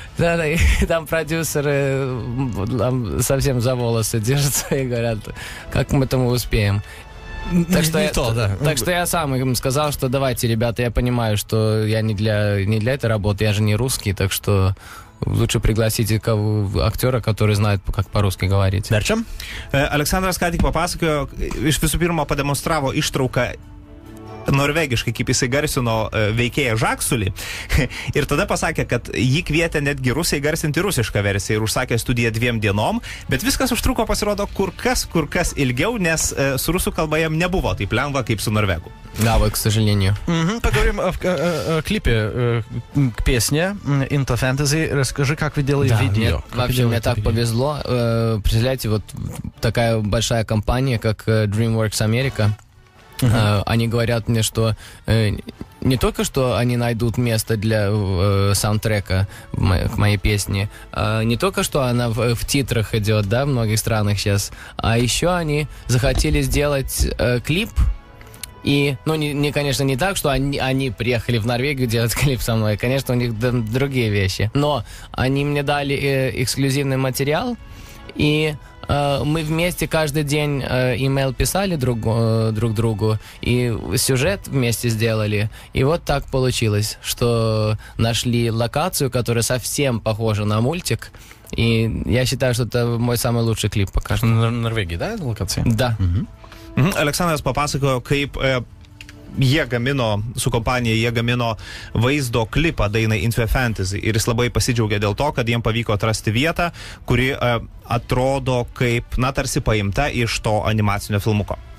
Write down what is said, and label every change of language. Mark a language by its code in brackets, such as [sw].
[ru] Да, там продюсеры там совсем за волосы держатся и говорят, как мы там успеем. Так что я сам им сказал, что давайте, ребята, я понимаю, что я не для этой работы, я же не русский, так что лучше пригласите актера, который знает, как по-русски говорить. Дарча. [lt] Александрас ką tik papasakojo, iš visų pirma pademonstravo ištrauką norvegiškai, kaip jisai garsino veikėją Žaksulį. Ir tada pasakė, kad jį kvietė netgi rusai garsinti rusišką versiją ir užsakė studiją 2 dienom. Bet viskas užtruko, pasirodo, kur kas ilgiau, nes su rusų kalba jam nebuvo taip lengva, kaip su norvegu. Gavo, [ru] к сожалению. Поговорим о клипе к песне Into Fantasy. Расскажи, как вы делали видео. Мне, вообще, мне так повезло. Представляете, вот такая большая компания, как DreamWorks America. Они говорят мне, что не только что они найдут место для саундтрека к моей песне, не только что она в титрах идет, да, в многих странах сейчас, а еще они захотели сделать клип. И, ну, не, конечно, не так, что они приехали в Норвегию делать клип со мной. Конечно, у них другие вещи. Но они мне дали эксклюзивный материал. И мы вместе каждый день имейл писали друг другу. И сюжет вместе сделали. И вот так получилось, что нашли локацию, которая совсем похожа на мультик. И я считаю, что это мой самый лучший клип пока что. Норвегии, да, локация? Да. [lt] Aleksandras papasakojo, kaip jie gamino, su kompanija jie gamino vaizdo klipą dainai Into Fantasy ir jis labai pasidžiaugė dėl to, kad jiem pavyko atrasti vietą, kuri atrodo kaip, na, tarsi paimta iš to animacinio filmuko.